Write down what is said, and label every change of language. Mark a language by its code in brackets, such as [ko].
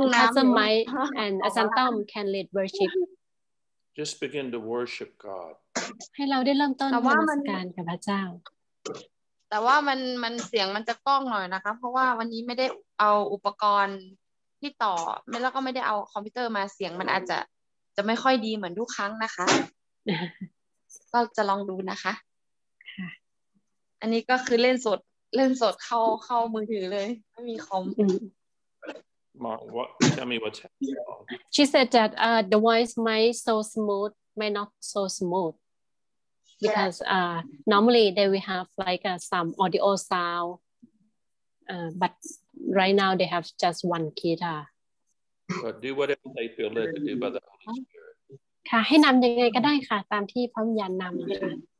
[en] Yes Ajahn Mai and Ajahn Tom can lead worship Just begin to worship God [th] ให้เราได้เริ่มต้นนมัสการกับพระเจ้า แต่ว่ามันเสียงมันจะก้องหน่อยนะคะเพราะว่าวันนี้ไม่ได้เอาอุปกรณ์ที่ต่อแล้วก็ไม่ได้เอาคอมพิวเตอร์มาเสียงมันอาจจะไม่ค่อยดีเหมือนทุกครั้งนะคะก็จะลองดูนะคะอันนี้ก็คือเล่นสดเข้ามือถือเลยไม่มีคอม [en] Mom, what? Tell me what's happening. She said that the voice might so smooth, might not so smooth, because normally they will have like some audio sound, but right now they have just one guitar. But do whatever they feel led to do by the Holy Spirit. [th] ค่ะให้นำยังไงก็ได้ค่ะตามที่พระวิญญาณนำค่ะ